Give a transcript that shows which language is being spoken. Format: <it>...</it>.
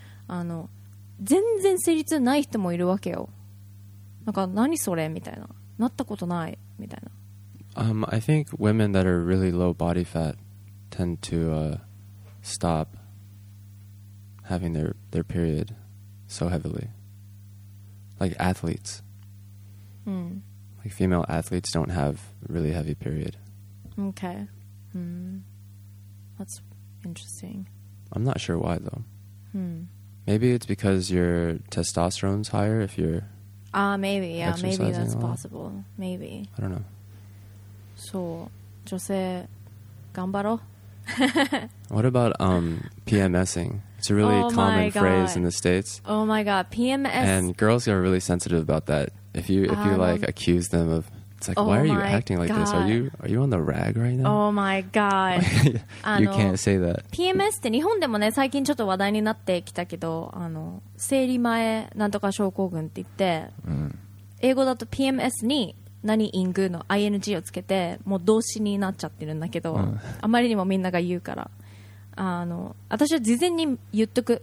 <ja>あの全然生理痛ない人もいるわけよ。なんか何それみたいな、なったことないみたいな。</ja> <en>I think women that are really low body fat tend to stop having their period so heavily. Like athletes. Mm. Like female athletes don't have really heavy period. Okay. Mm. That's interesting. I'm not sure why though. Mm. Maybe it's because your testosterone's higher if you're maybe, yeah. Maybe that's possible. Maybe. I don't know.</en> <ja>そう、女性頑張ろう。</ja> <en>What about PMSing? It's a really common phrase in the States. Oh my god, PMS. And girls are really sensitive about that. If you like accuse them of, it's like, why are you acting like this? Are you on the rag right now? Oh my god. You can't say that.</en> <ja>PMS って日本でもね、最近ちょっと話題になってきたけど、あの生理前なんとか症候群って言って、英語だと PMS に何イングの ing をつけてもう動詞になっちゃってるんだけど、あまりにもみんなが言うから、あの私は事前に言っとく。</ja>